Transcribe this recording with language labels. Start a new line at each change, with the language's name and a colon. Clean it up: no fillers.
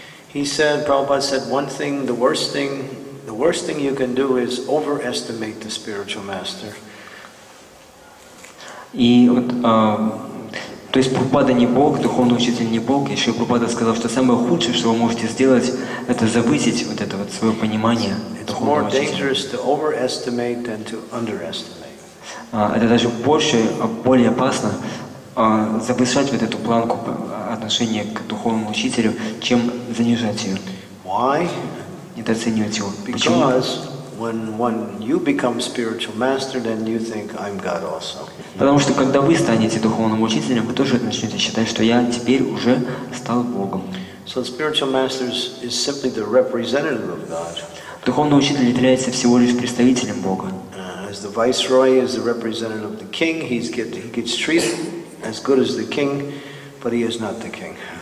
English: Prabhupada said one thing, the worst thing you can do is overestimate the spiritual master.
Russian: И вот, то есть Прабхупада не Бог, духовный учитель не Бог, еще Прабхупада сказал, что самое худшее, что вы можете сделать, это завысить вот это вот свое понимание духовного учителя.
English: It's more dangerous to overestimate than to underestimate.
Russian: Это даже больше, более опасно завышать вот эту планку отношения к духовному учителю, чем занижать ее.
English: Why?
Russian: Недооценивать его. Почему?
English: Because when you become spiritual master, then you think I'm God also.
Russian: Потому что когда вы станете духовным учителем, вы тоже начнете считать, что я теперь уже стал Богом.
English: So spiritual master is simply the representative of God.
Russian: Духовный учитель является всего лишь представителем Бога.
English: As the viceroy is the representative of the king, he gets treated as good as the king, but he is not the king.